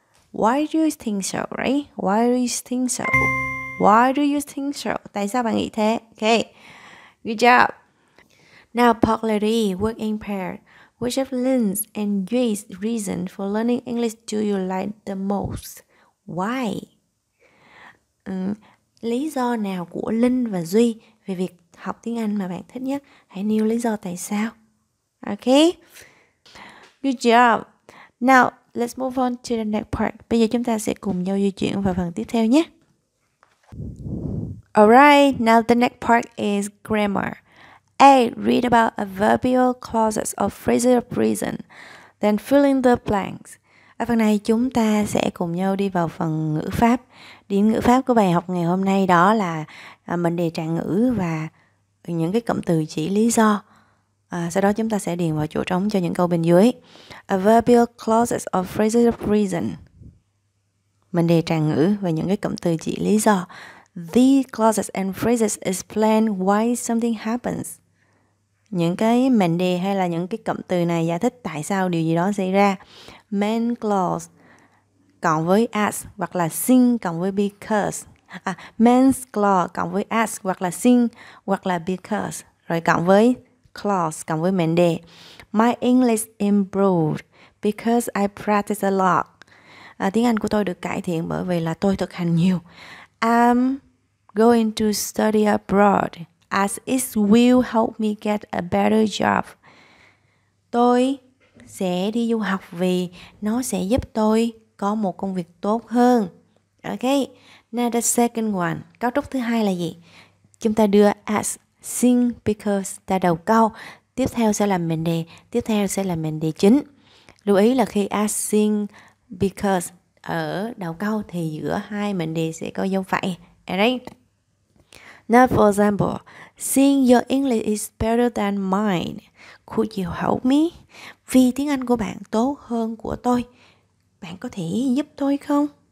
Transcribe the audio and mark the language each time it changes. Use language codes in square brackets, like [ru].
[en] Why do you think so, right? Why do you think so? Why do you think so? [vi] Tại sao bạn nghĩ thế? [en] Okay. Good job. Now, popularly work in pair. Which of Lin's and Yui's reason for learning English do you like the most? Why? [vi] Lý do nào của Linh và Duy về việc học tiếng Anh mà bạn thích nhất? Hãy nêu lý do tại sao. [en] Okay. Good job. Now, let's move on to the next part. [vi] Bây giờ chúng ta sẽ cùng nhau di chuyển vào phần tiếp theo nhé. [en] Alright, now the next part is grammar. A. Read about adverbial clauses of phrasal reason, then fill in the blanks. [vi] Ở phần này chúng ta sẽ cùng nhau đi vào phần ngữ pháp. Điểm ngữ pháp của bài học ngày hôm nay đó là mình đề trạng ngữ và những cái cụm từ chỉ lý do. Sau đó chúng ta sẽ điền vào chỗ trống cho những câu bên dưới. [en] Adverbial clauses of phrasal reason. [vi] Mình đề trạng ngữ và những cái cụm từ chỉ lý do. [en] These clauses and phrases explain why something happens. [vi] Những cái mệnh đề hay là những cái cụm từ này giải thích tại sao điều gì đó xảy ra. Main clause cộng với as hoặc là since cộng với because. Main clause cộng với as hoặc là since hoặc là because. Rồi cộng với clause cộng với mệnh đề. [en] My English improved because I practice a lot. [vi] Tiếng Anh của tôi được cải thiện bởi vì là tôi thực hành nhiều. [en] I'm going to study abroad as it will help me get a better job. [vi] Tôi sẽ đi du học vì nó sẽ giúp tôi có một công việc tốt hơn. [en] Okay, now the second one. [vi] Cấu trúc thứ hai là gì? Chúng ta đưa as, since, because ra đầu câu. Tiếp theo sẽ là mệnh đề. Tiếp theo sẽ là mệnh đề chính. Lưu ý là khi as, since, because ở đầu câu thì giữa hai mệnh đề sẽ có dấu phẩy. [en] Now for example, seeing your English is better than mine, could you help me? [vi] Vì tiếng Anh của bạn tốt hơn của tôi, bạn có thể giúp tôi không?